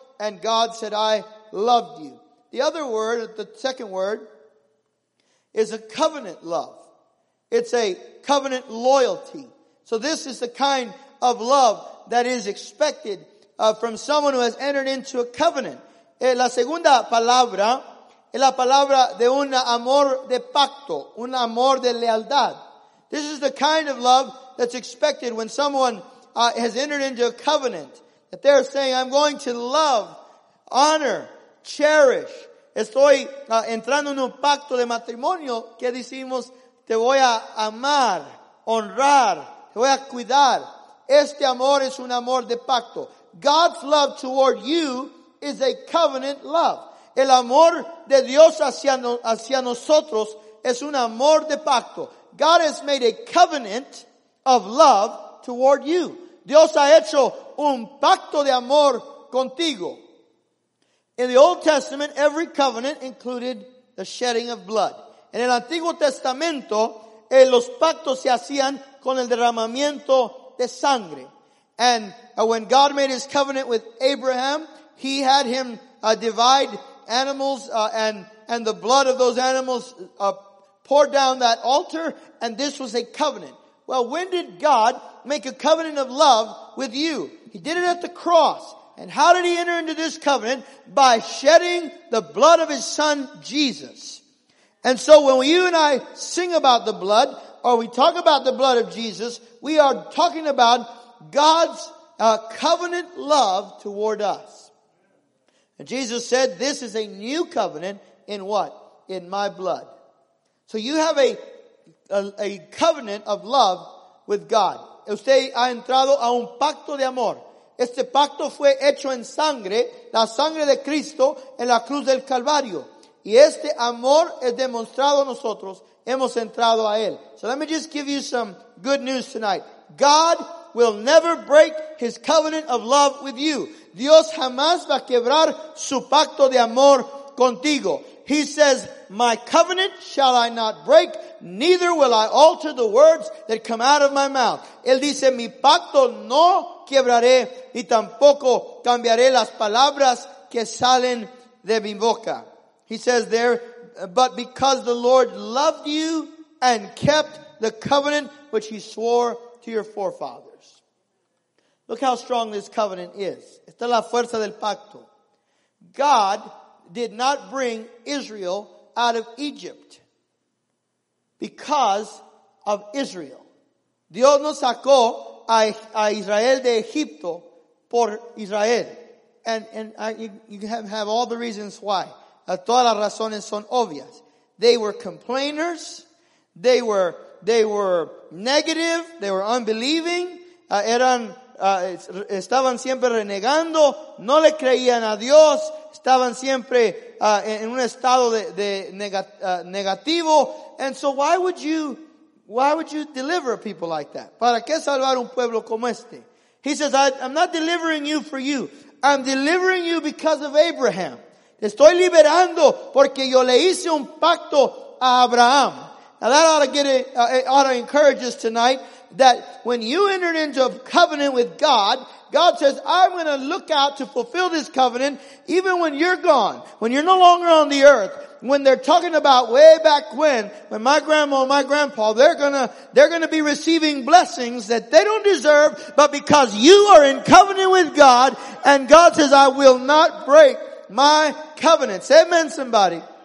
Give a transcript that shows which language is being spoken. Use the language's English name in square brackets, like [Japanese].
[English] And God said, I loved you. The other word, the second word, is a covenant love. It's a covenant loyalty. So this is the kind of love that is expected from someone who has entered into a covenant. [Spanish] La segunda palabra es la palabra de un amor de pacto, un amor de lealtad. [English] This is the kind of love that's expected when someone has entered into a covenant. That they're saying, I'm going to love, honor, cherish. [Spanish] Estoy entrando en un pacto de matrimonio que decimos, te voy a amar, honrar, te voy a cuidar. Este amor es un amor de pacto. [English] God's love toward you is a covenant love. [Spanish] El amor de Dios hacia nosotros es un amor de pacto. [English] God has made a covenant of love toward you. [Spanish] Dios ha hecho un pacto de amor contigo. [English] In the Old Testament, every covenant included the shedding of blood. [Spanish] En el Antiguo Testamento, los pactos se hacían con el derramamiento de sangre. [English] And when God made his covenant with Abraham, he had him divide animals and the blood of those animals pour down that altar, and this was a covenant. Well, when did God make a covenant of love with you? He did it at the cross. And how did he enter into this covenant? By shedding the blood of his son, Jesus. And so when you and I sing about the blood, or we talk about the blood of Jesus, we are talking about God's covenant love toward us. And Jesus said, this is a new covenant in what? In my blood. So you have a covenant of love with God. [Spanish] Usted ha entrado a un pacto de amor. Este pacto fue hecho en sangre, la sangre de Cristo en la cruz del Calvario. Y este amor es demostrado a nosotros, hemos entrado a él. [English] So let me just give you some good news tonight. God will never break his covenant of love with you. [Spanish] Dios jamás va a quebrar su pacto de amor contigo. [English] He says, my covenant shall I not break, neither will I alter the words that come out of my mouth. [Spanish] Él dice, mi pacto no quebraré y tampoco cambiaré las palabras que salen de mi boca. [English] He says there, but because the Lord loved you and kept the covenant which he swore to your forefathers. Look how strong this covenant is. [Spanish] Esta es la fuerza del pacto. [English] God did not bring Israel out of Egypt because of Israel. [Spanish] Dios no sacó a Israel de Egipto por Israel. [English] And you have all the reasons why. [Spanish] Todas las razones son obvias. [English] They were complainers. They were negative. They were unbelieving. [Spanish] Estaban siempre renegando. No le creían a Dios. Estaban siempre en un estado negativo. [English] And so why would you deliver people like that? [Spanish] ¿Para qué salvar un pueblo como este? [English] He says, I'm not delivering you for you. I'm delivering you because of Abraham. [Spanish] Te estoy liberando porque yo le hice un pacto a Abraham. [English] Now that ought to encourage us tonight that when you enter into a covenant with God, God says, I'm going to look out to fulfill this covenant even when you're gone, when you're no longer on the earth, when they're talking about way back when my grandma and my grandpa, they're going to be receiving blessings that they don't deserve, but because you are in covenant with God, and God says, I will not break my covenant. Say amen, somebody.